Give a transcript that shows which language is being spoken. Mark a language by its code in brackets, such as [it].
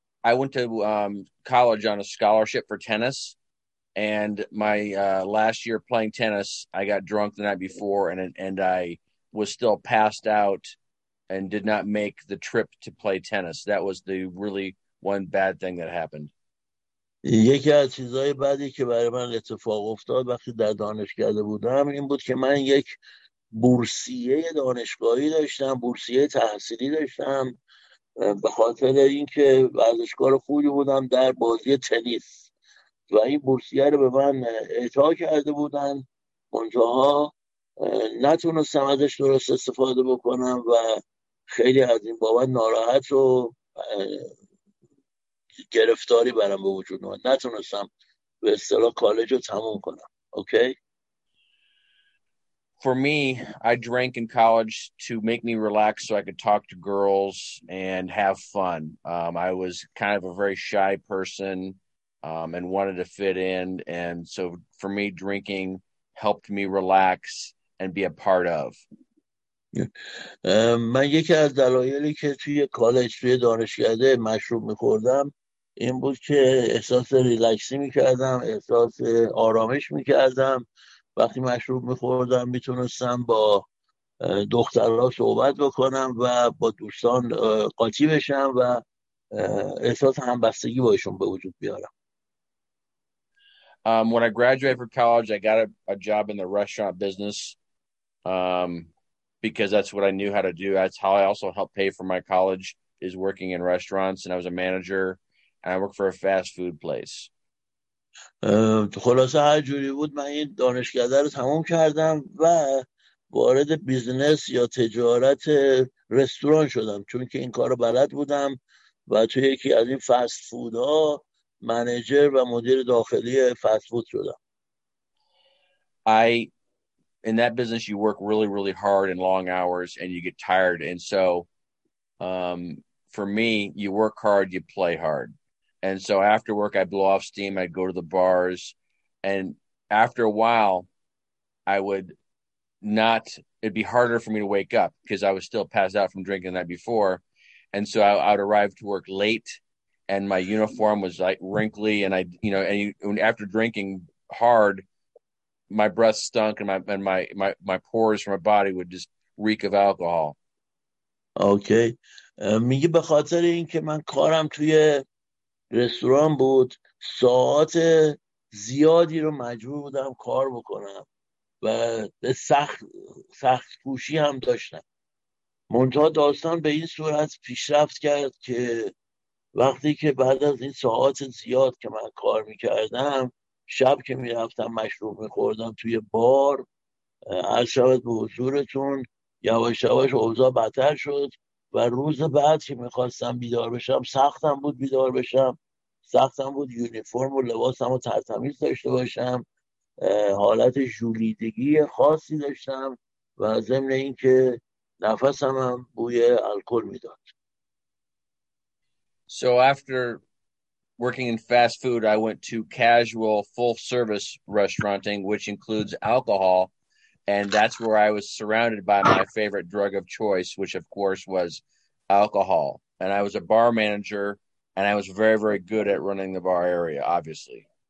[en] I went to college on a scholarship for tennis, and my last year playing tennis, I got drunk the night before, and I was still passed out, and did not make the trip to play tennis. That was the really one bad thing that happened. [fa] یکی از چیزهای بعدی که برای من اتفاق افتاد وقتی در دانشگاه بودم این بود که من یک بورسیه دانشگاهی داشتم، بورسیه تحصیلی داشتم به خاطر اینکه ورزشکار خوبی بودم در بازی تنیس، و این بورسیه رو به من اعطا کرده بودن، اونجاها نتونستم ازش درست استفاده بکنم و خیلی از این بابت ناراحت و گرفتاری برام به وجود اومد، نتونستم به اصطلاح کالج رو تموم کنم. [en] Okay. For me, I drank in college to make me relax so I could talk to girls and have fun. I was kind of a very shy person and wanted to fit in, and so for me drinking helped me relax and be a part of. [fa] من یکی از دلایلی که توی کالج توی دانشگاه مشروب می‌خوردم این بود که احساس ریلکسی می‌کردم، احساس آرامش می‌کردم. وقتی مشروب می‌خوردم می‌تونستم با دخترها صحبت بکنم و با دوستان قاطی بشم و احساس همبستگی باشون به وجود بیارم. [en] When I graduated from college, I got a job in the restaurant business because that's what I knew how to do. That's how I also helped pay for my college, is working in restaurants, and I was a manager. and I work for a fast food place. [fa] خلاصه هر جوری بود من این دانشکده رو تمام کردم و وارد بیزنس یا تجارت رستوران شدم چون که این کار رو بلد بودم و توی یکی از این فست فود ها منیجر و مدیر داخلی فست فود شدم. [en] In that business you work really really hard and long hours and you get tired, and so for me you work hard, you play hard. And so after work, I'd blow off steam. I'd go to the bars. And after a while, I would not, it'd be harder for me to wake up because I was still passed out from drinking the night before. And so I would arrive to work late and my uniform was like wrinkly. And I, you know, and after drinking hard, my breath stunk and my pores from my body would just reek of alcohol. Okay. [fa] میگه به خاطر اینکه من کارم توی رستوران بود ساعت زیادی رو مجبور بودم کار بکنم و سخت کوشی هم داشتم. منتها داستان به این صورت پیشرفت کرد که وقتی که بعد از این ساعت زیاد که من کار میکردم شب که میرفتم مشروب میخوردم توی بار عرض شود به حضورتون یواش یواش اوضاع بدتر شد و روز بعد که میخواستم بیدار بشم سختم بود بیدار بشم، سختم بود یونیفرم و لباسم رو ترتمیز داشته باشم، حالت ژولیدگی خاصی داشتم و ضمن این که نفسم هم بوی الکل میداد. [en] So after working in fast food, I went to casual full service restauranting, which includes alcohol. And that's where I was surrounded by my favorite drug of choice, which of course was alcohol. And I was a bar manager, and I was very, very good at running the bar area, obviously.